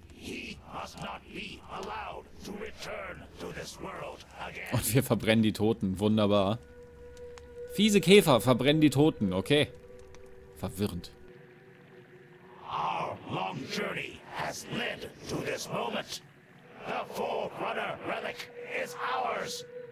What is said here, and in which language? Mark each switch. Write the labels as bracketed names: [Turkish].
[English] He must not be allowed to return to this world again. [German] Und wir verbrennen die Toten. Wunderbar. Fiese Käfer verbrennen die Toten, okay. Verwirrend. [English] Our long journey has led to this moment. The Forerunner Relic is ours.